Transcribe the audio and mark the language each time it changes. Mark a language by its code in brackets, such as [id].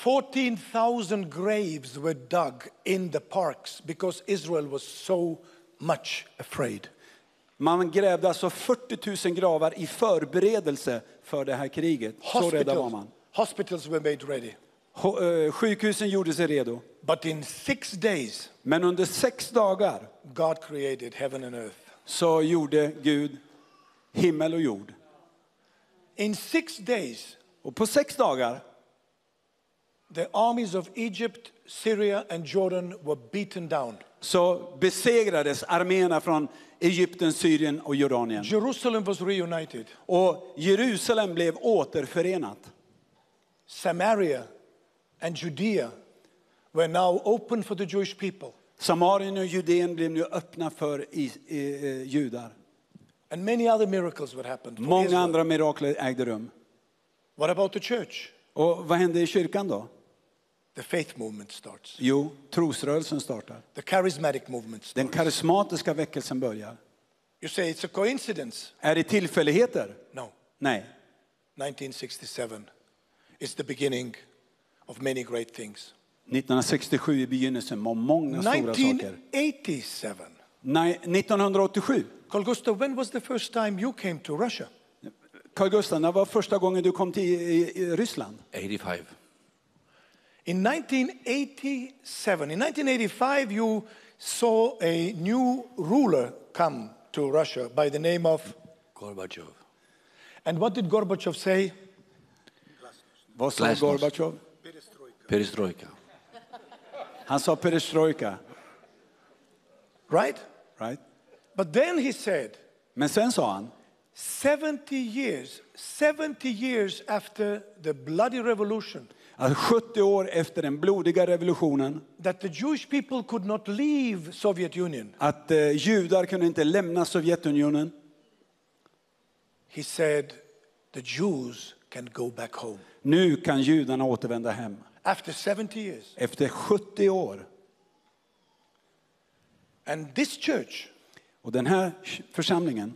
[en] 14,000 graves were dug in the parks because Israel was so much afraid. [sv] Man grävde alltså 40,000 gravar i förberedelse för det här kriget. Hospitals, så rädda var man. [en] Hospitals were made ready. [sv] Sjukhusen gjorde sig redo. [en] But in 6 days. [sv] Men under 6 dagar. [en] God created heaven and earth. [sv] Så gjorde Gud himmel och jord. [en] In 6 days, [sv] och på 6 dagar, [en] the armies of Egypt, Syria and Jordan were beaten down. [sv] Så besegrades arméerna från Egypten, Syrien och Jordanien. [en] Jerusalem was reunited. [sv] Och Jerusalem blev återförenat. [en] Samaria and Judea were now open for the Jewish people. [sv] Samarien och Judén blev nu öppna för judar. [en] And many other miracles would happen. [sv] Många andra mirakler ägde rum. [en] What about the church? [sv] Och vad hände i kyrkan då? [en] The faith movement starts. [sv] Jo, trosrörelsen startar. [en] The charismatic movement starts. [sv] Den karismatiska väckelsen börjar. [en] You say it's a coincidence. [sv] Är det tillfälligheter? [en] No. [sv] Nej. [en] 1967 is the beginning of many great things. [sv] 1967 är begynnelsen av många stora saker. 1987. Nej, 1987. [en] Carl Gustav, when was the first time you came to Russia? [sv] Carl Gustav, när var första gången du kom till Ryssland? 85. [en] In 1987, in 1985, you saw a new ruler come to Russia by the name of Gorbachev. And what did Gorbachev say? [sv] Vad sa Gorbachev? [ru] Perestroika. [sv] Han sa perestroika. [en] Right? Right. But then he said, [sv] men sen sa han, [en] 70 years after the bloody revolution. [sv] 70 år efter den blodiga revolutionen. [en] That the Jewish people could not leave Soviet Union. [sv] Att judar kunde inte lämna Sovjetunionen. [en] He said, the Jews can go back home. [sv] Nu kan judarna återvända hem. [en] After 70 years. [sv] Efter 70 år. [en] And this church. [sv] Och den här församlingen.